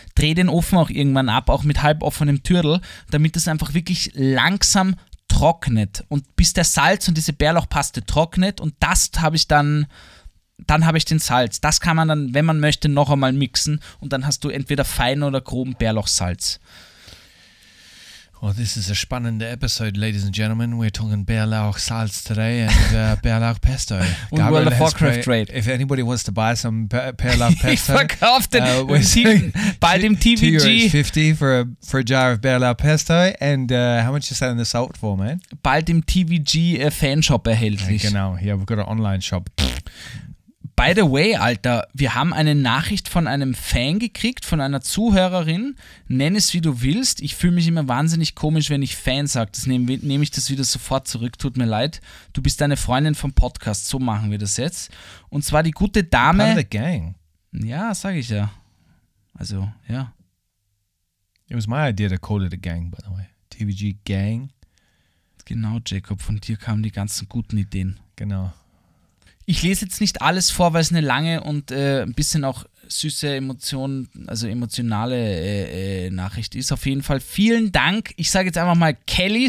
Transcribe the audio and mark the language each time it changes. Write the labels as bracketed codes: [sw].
[de] Drehe den Ofen auch irgendwann ab, auch mit halb offenem Türdel, damit es einfach wirklich langsam trocknet. Und bis der Salz und diese Bärlauchpaste trocknet und das habe ich dann... Dann habe ich den Salz. Das kann man dann, wenn man möchte, noch einmal mixen. Und dann hast du entweder feinen oder groben Bärlauchsalz. [en] Well, this is a [de] spannende [en] episode, ladies and gentlemen. We're talking Bärlauch Salz today and Bärlauch Pesto. [de] Und World of Warcraft Trade. [en] If anybody wants to buy some Bärlauch Pesto, [de] verkauft den bei dem TVG. [en] €2.50 for a jar of Bärlauch Pesto. And how much is that in the salt for, man? [de] Bald im TVG Fanshop erhältlich. Genau, [en] yeah, we've got an online shop. By the way, [de] Alter, wir haben eine Nachricht von einem Fan gekriegt, von einer Zuhörerin. Nenn es, wie du willst. Ich fühle mich immer wahnsinnig komisch, wenn ich Fan sage. Das nehm ich das wieder sofort zurück. Tut mir leid. Du bist eine Freundin vom Podcast. So machen wir das jetzt. Und zwar die gute Dame. [en] Part of the gang. [de] Ja, sag ich ja. Also, ja. [en] It was my idea to call it a gang, by the way. [de] TVG Gang. Genau, Jacob. Von dir kamen die ganzen guten Ideen. Genau. Ich lese jetzt nicht alles vor, weil es eine lange und ein bisschen auch süße Emotionen, also emotionale Nachricht ist. Auf jeden Fall vielen Dank. Ich sage jetzt einfach mal Kelly.